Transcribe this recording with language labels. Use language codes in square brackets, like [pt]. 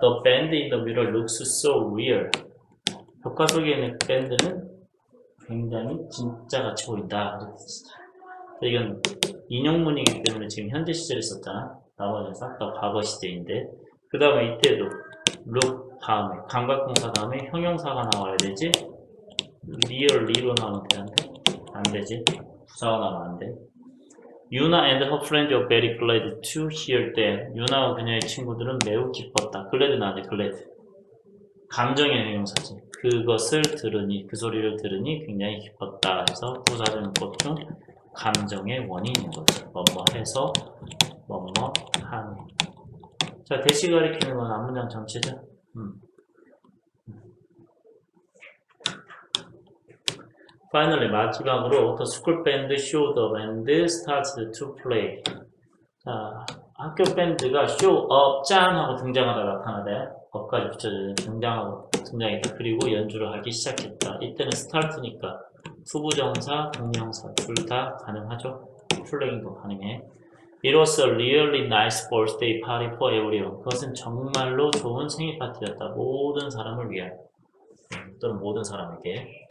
[en] The band in the mural looks so real. [ko] 벽화 속에 있는 밴드는 굉장히 진짜 같이 보인다. 이건 인용문이기 때문에 지금 현재 시제를 썼잖아. 나머지는 싹다 과거 시제인데. 그 다음에 이때도 look 다음에 감각동사 다음에 형용사가 나와야 되지. really로 나오면 되는데 안 되지. 부사가 나오면 안 돼. [en] Yuna and her friends were very glad to hear them. [ko] Yuna와 그녀의 친구들은 매우 기뻤다. glad 나왔네, glad. 감정의 형용사지. 그것을 들으니, 그 소리를 들으니 굉장히 기뻤다. 해서 부사적인 것 중. 감정의 원인인 거죠. 뭐뭐 해서, 뭐뭐 하는. 자, 대시 가리키는 건 앞 문장 전체죠. [en] 파이널리, [ko] 마지막으로, [en] the school band showed up and started to play. [ko] 자, 학교 밴드가 show up, 짠! 하고 등장하다 나타나대요. 업까지 붙여주는 등장하고, 등장했다. 그리고 연주를 하기 시작했다. 이때는 start니까. 투부정사, 동명사 둘다 가능하죠. 플레잉도 가능해. [en] It was a really nice birthday party for everyone. [ko] 그것은 정말로 좋은 생일 파티였다. 모든 사람을 위한. 또는 모든 사람에게.